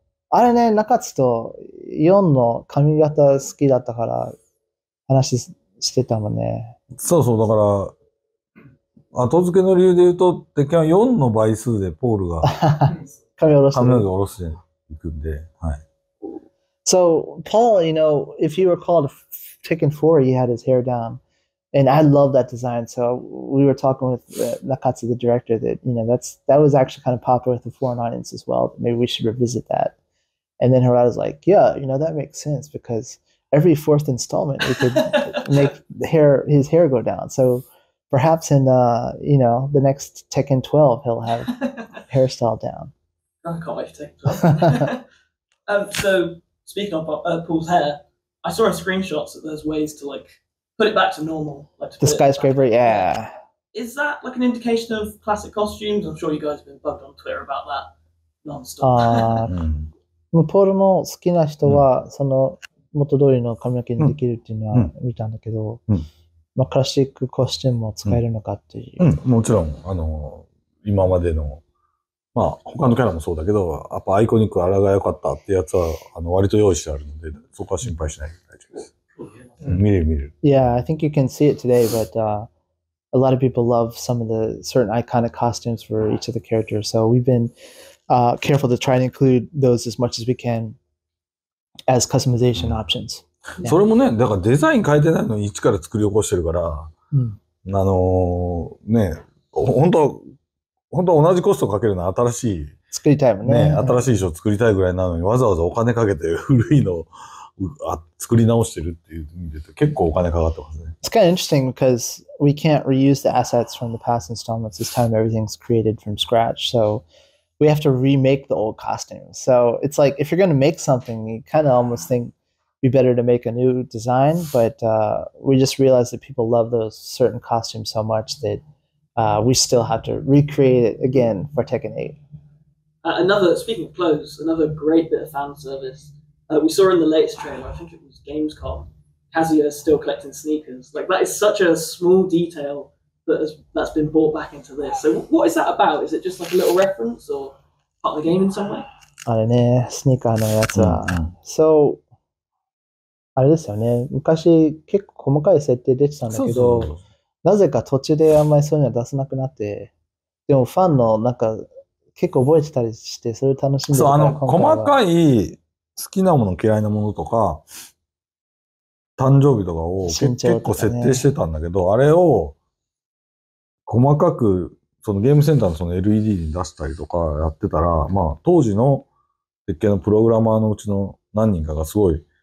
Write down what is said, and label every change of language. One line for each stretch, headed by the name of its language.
Japanese: あれね、中津と4の髪型好きだったから話してたもんね。そうそう、だから後付けの理由で言うと、鉄拳は4の倍数でポールが。
English: So, Paul, you know, if you recall Tekken 4, he had his hair down. And I love that design. So, we were talking with Nakatsu, the director, that, you know, that was actually kind of popular with the foreign audience as well. Maybe we should revisit that. And then Harada's like, yeah, you know, that makes sense because every fourth installment, we could make his hair go down. So, perhaps in, you know, the next Tekken 12, he'll have hairstyle down. I can't wait to take it. So, speaking of Paul's hair, I saw a screenshot that there's ways to like put it back to normal. Like to the skyscraper, yeah. Is that like an indication of classic costumes? I'm sure you guys have been bugged on Twitter about that nonstop.
Japanese: Paul の好きな人はその元通りの髪の毛にできるっていうのは見たんだけど、まあクラシックコスチュームも使えるのかっていう。もちろん今までの。まあ他のキャラもそうだけど、やっぱアイコニックあらが良かったってやつは割と用意してあるので、そこは心配しないで大丈夫です。見れる見れる。
English: Yeah, I think you can see it today, but a lot of people love some of the certain iconic costumes for each of the characters. So we've been careful to try and include those as much as we can as customization options.
Japanese: それもね、だからデザイン変えてないのに一から作り起こしてるから、ね、本当同じコストかけるのは新しい。作りたいもんね。新しい衣装作りたいぐらいなのに、わざわざお金かけて古いの作り直してるっていう意味で結構お金かかってますね。
English: It's kind of interesting because we can't reuse the assets from the past installments. This time everything's created from scratch, so we have to remake the old costumes. So it's like if you're going to make something, you kind of almost think be better to make a new design, but we just realized that people love those certain costumes so much that we still have to recreate it again for Tekken 8. Another, speaking of clothes, another great bit of fan service. We saw in the latest trailer, I think it was Gamescom, Kazuya still collecting sneakers. Like, that is such a small detail that's been brought back into this. So what is that about? Is it just like a little reference or part of the game in some way? I don't know, sneaker, I know, that's a...
Japanese: So... あれですよね。昔結構細かい設定出てたんだけど、なぜか途中であんまりそういうの出さなくなって、でもファンのなんか結構覚えてたりしてそれ楽しんでるから今回は。そう、あの細かい好きなもの嫌いなものとか誕生日とかを結構設定してたんだけど、あれを細かくそのゲームセンターのその LED に出したりとかやってたら、まあ当時の設計のプログラマーのうちの何人かがすごい